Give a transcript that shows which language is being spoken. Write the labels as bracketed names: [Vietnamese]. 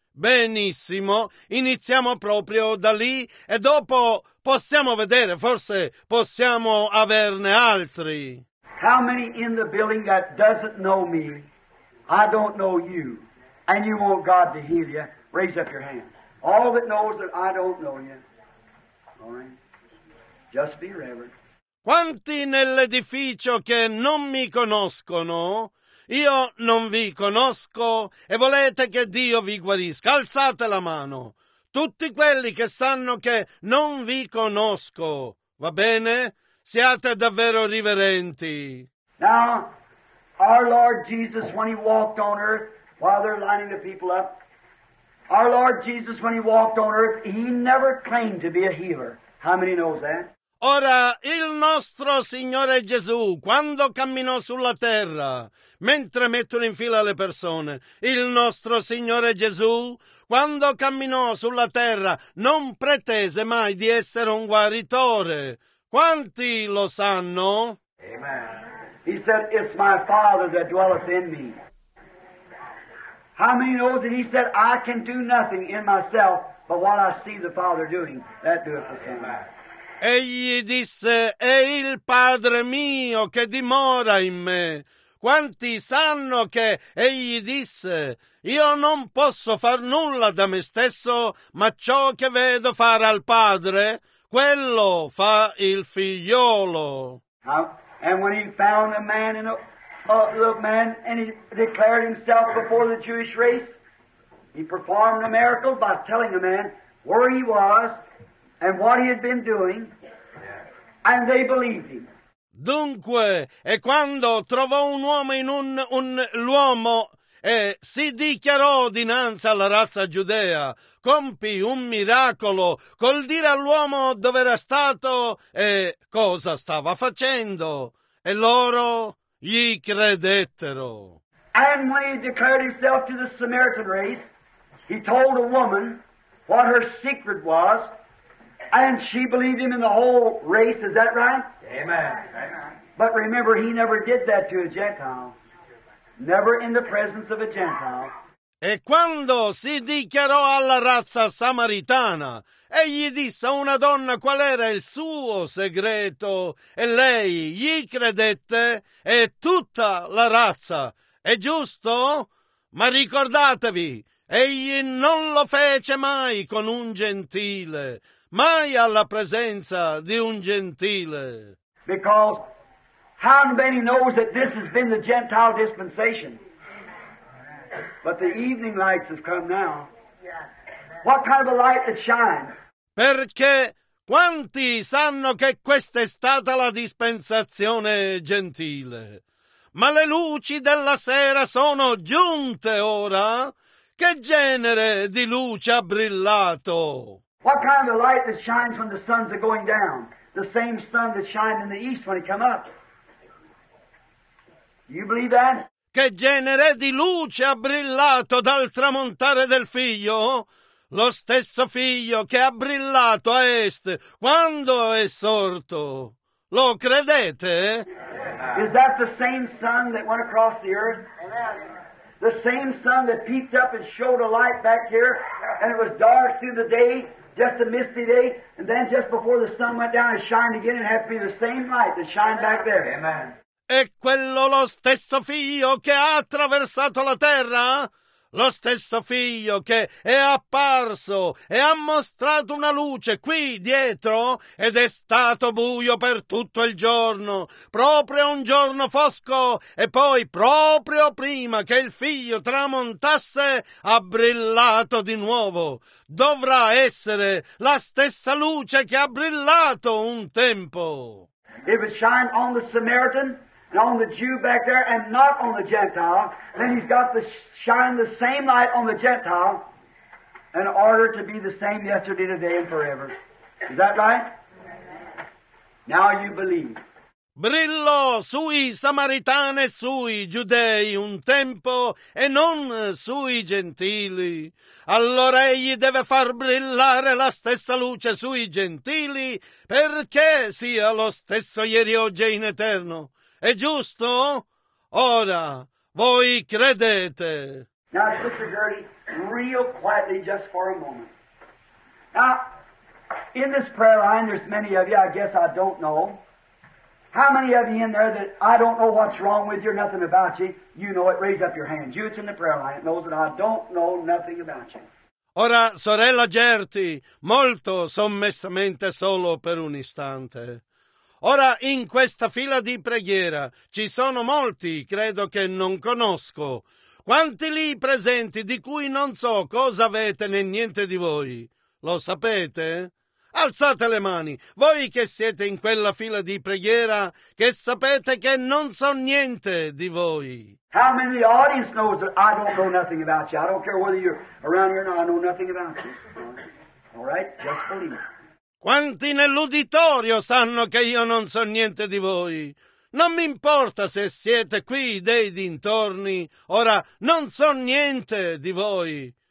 [Italian] Benissimo, iniziamo proprio da lì e dopo possiamo vedere, forse possiamo averne altri. [English] How many in the building that doesn't know me, I don't know you, and you want God to heal you, raise up your hand. All that knows that I don't know you, all right, just be reverent. [Italian] Quanti nell'edificio che non mi conoscono? Io non vi conosco e volete che Dio vi guarisca. Alzate la mano. Tutti quelli che sanno che non vi conosco, va bene? Siate davvero riverenti. [English] Now, our Lord Jesus, when he walked on earth, while they're lining the people up, our Lord Jesus, when he walked on earth, he never claimed to be a healer. How many knows that? [Italian] Ora, il nostro Signore Gesù, quando camminò sulla terra, mentre mettono in fila le persone, il nostro Signore Gesù, quando camminò sulla terra, non pretese mai di essere un guaritore. Quanti lo sanno? [English] Amen. He said, it's my Father that dwelleth in me. How many knows that he said, I can do nothing in myself, but what I see the Father doing, that doeth the same. [Italian] Egli disse, è il Padre mio che dimora in me. quanti sanno che egli disse: io non posso far nulla da me stesso, ma ciò che vedo fare al Padre, quello fa il Figliolo. [English] And when he found a man in a man and he declared himself before the Jewish race, he performed a miracle by telling the man where he was and what he had been doing, and they believed him. [Italian] Dunque, e quando trovò un uomo in un luogo e si dichiarò dinanzi alla razza giudea, compì un miracolo col dire all'uomo dove era stato e cosa stava facendo, e loro gli credettero. [English] And when he declared himself to the Samaritan race, he told a woman what her secret was, and she believed him in the whole race, is that right? Amen. But remember, he never did that to a Gentile. Never in the presence of a Gentile. [Italian] E quando si dichiarò alla razza samaritana, egli disse a una donna qual era il suo segreto, e lei gli credette, e tutta la razza. È giusto? Ma ricordatevi, egli non lo fece mai con un gentile, mai alla presenza di un gentile. [English] Because how many knows that this has been the Gentile dispensation? But the evening lights have come now. What kind of a light that shines? [Italian] Perché quanti sanno che questa è stata la dispensazione gentile? Ma le luci della sera sono giunte ora? Che genere di luce ha brillato? [English] What kind of a light that shines when the suns are going down? The same sun that shined in the east when it come up. Do you believe that? [Italian] Che genere di luce ha brillato dal tramontare del Figlio? Lo stesso Figlio che ha brillato a est quando è sorto. Lo credete? [English] Is that the same sun that went across the earth? The same sun that peeped up and showed a light back here, and it was dark through the day, just a misty day, and then just before the sun went down it shined again, and it had to be the same light that shined back there. Amen. [Italian] È quello lo stesso Figlio che ha attraversato la terra? Lo stesso Figlio che è apparso e ha mostrato una luce qui dietro ed è stato buio per tutto il giorno, proprio un giorno fosco, e poi proprio prima che il Figlio tramontasse ha brillato di nuovo. Dovrà essere la stessa luce che ha brillato un tempo. [English] If it shined on the Samaritan and on the Jew back there and not on the Gentile, then he's got the shine the same light on the Gentile in order to be the same yesterday, today, and forever. Is that right? Now you believe. [Italian] Brillò sui samaritani e sui giudei un tempo e non sui gentili. Allora egli deve far brillare la stessa luce sui gentili perché sia lo stesso ieri, oggi e in eterno. È giusto? Ora, voi credete. [English] Now, Sister Gertie, real quietly, just for a moment. Now, in this prayer line, there's many of you, I guess I don't know. How many of you in there that I don't know what's wrong with you or nothing about you? You know it, raise up your hand. You, it's in the prayer line, knows that I don't know nothing about you. [Italian] Ora, sorella Gertie, molto sommessamente, solo per un istante. Ora, in questa fila di preghiera, ci sono molti, credo che non conosco. Quanti lì presenti di cui non so cosa avete né niente di voi? Lo sapete? Alzate le mani, voi che siete in quella fila di preghiera, che sapete che non so niente di voi. [English] How many of the audience knows that I don't know nothing about you? I don't care whether you're around here or not, I know nothing about you. All right? Just believe. [Italian] Quanti nell'uditorio sanno che io non so niente di voi? Non mi importa se siete qui dei dintorni, ora non so niente di voi.